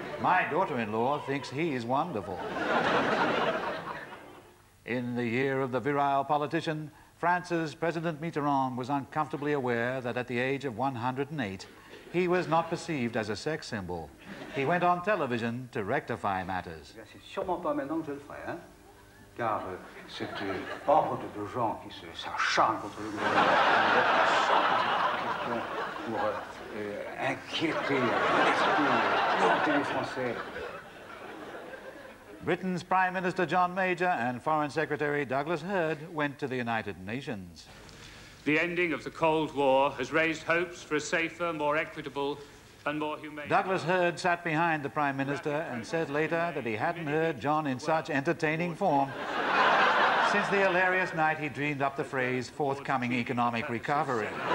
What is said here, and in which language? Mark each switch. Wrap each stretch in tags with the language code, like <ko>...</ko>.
<en>"My daughter-in-law thinks he is wonderful." In the year of the virile politician, France's President Mitterrand was uncomfortably aware that at the age of 108, he was not perceived as a sex symbol. He went on television to rectify matters.</en> <fr>"C'est sûrement pas maintenant que je le ferai, hein? Car c'est une bande de gens qui se s'acharnent contre le gouvernement pour inquiéter l'esprit français."</fr> <en>Britain's Prime Minister John Major and Foreign Secretary Douglas Hurd went to the United Nations. "The ending of the Cold War has raised hopes for a safer, more equitable and more humane..." Douglas Hurd sat behind the Prime Minister and said later that he hadn't heard John in such entertaining form since the hilarious night he dreamed up the phrase forthcoming economic recovery.</en>